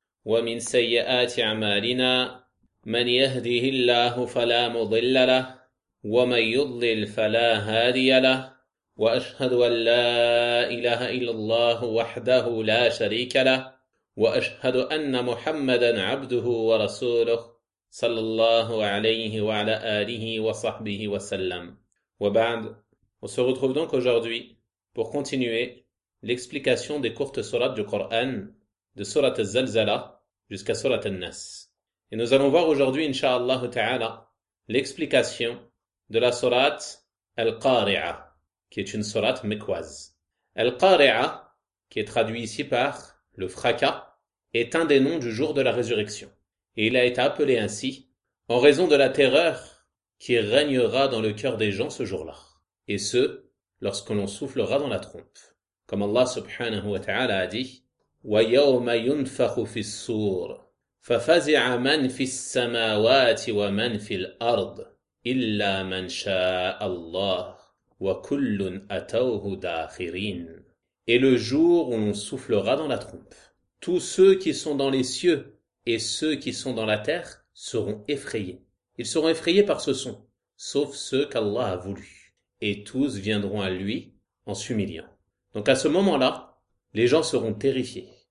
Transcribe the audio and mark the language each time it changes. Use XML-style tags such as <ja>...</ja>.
<ar>ومن سيئات أعمالنا، من يهده الله فلا مضل له ومن يضلل فلا هادي له، وأشهد أن لا إله إلا الله وحده لا شريك له، وأشهد أن محمدا عبده ورسوله صلى الله عليه وعلى آله وصحبه وسلم.</ar> <fr>وبعد، on se retrouve donc aujourd'hui pour continuer l'explication des courtes sourates du Coran, de sourate al-Zalzala jusqu'à sourate al-Nas. Et nous allons voir aujourd'hui, inshallah ta'ala, l'explication de la sourate al-Qari'a, qui est une sourate mekwaze. Al-Qari'a, qui est traduit ici par le fracas, est un des noms du jour de la résurrection. Et il a été appelé ainsi en raison de la terreur qui régnera dans le cœur des gens ce jour-là. Et ce, lorsque l'on soufflera dans la trompe. Comme Allah subhanahu wa ta'ala a dit, وَيَوْمَ يُنْفَخُ فِي الصُّورِ فَفَزِعَ مَنْ فِي السَّمَاوَاتِ وَمَنْ فِي الْأَرْضِ إِلَّا مَنْ شَاءَ اللَّهُ وَكُلٌّ أَتَوْهُ دَاخِرِينَ. Et le jour où l'on soufflera dans la trompe, tous ceux qui sont dans les cieux et ceux qui sont dans la terre seront effrayés. Ils seront effrayés par ce son, sauf ceux qu'Allah a voulu. Et tous viendront à lui en s'humiliant. Donc à ce moment-là, les gens seront terrifiés.</fr>